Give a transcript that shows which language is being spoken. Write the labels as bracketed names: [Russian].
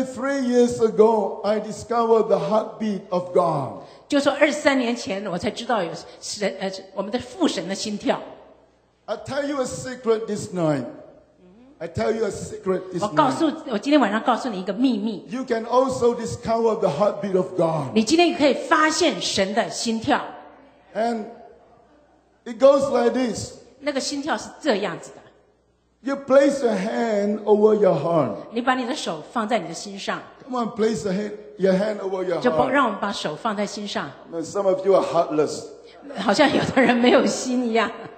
[English] 3 years ago, I discovered the heartbeat of God. [Chinese] 就说二十三年前，我才知道有神，我们的父神的心跳。 [English] I tell you a secret this night. I tell you a secret this night. [Chinese] 我今天晚上告诉你一个秘密。 [English] You can also discover the heartbeat of God. [Chinese] 你今天可以发现神的心跳。 [English] And it goes like this. [Chinese] 那个心跳是这样子的。 [English] You place your hand over your heart. [Chinese] 你把你的手放在你的心上。 [English] Come on, place your hand over your heart. [Chinese] 就让我们把手放在心上。 [English] Some of you are heartless. [Chinese] 好像有的人没有心一样。